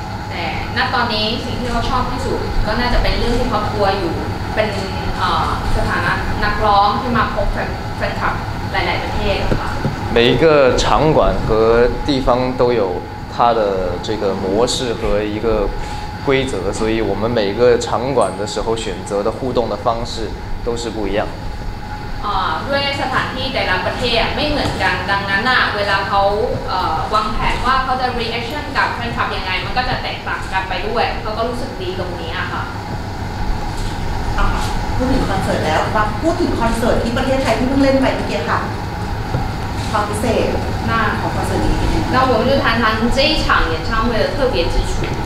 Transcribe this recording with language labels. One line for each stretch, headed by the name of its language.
Chinese: 对，那
Thai: ตอนนี้สิ่งที่เขาชอบที่สุดก็น่าจะเป็นเรื่องที่เขากลัวอยู่เป็นสถานะนักร้องที่มาพบแฟนคลับหลายประเทศค่ะ
Chinese: 每一个场馆和地方都有它的这个模式和一个规则，所以我们每个场馆的时候选择的互动的方式都是不一样。
Thai: ด้วยสถานที่แต่ละประเทศไม่เหมือนกันดังนั้นเวลาเขาวางแผนว่าเขาจะ reaction กับแฟนคลับยังไงมันก็จะแตกต่างกันไปด้วยเขาก็รู้สึกดีตรงนี้อะค่ะ พูดถึงคอนเสิร์ตแล้วมาพูดถึงคอนเสิร์ตที่ประเทศไทยที่เพิ่งเล่นไปเมื่อกี้ค่ะความพิเศษหน้าของคอนเสิร์ตนี้
Chinese: 那我们就谈谈这一场演唱会的特别之处。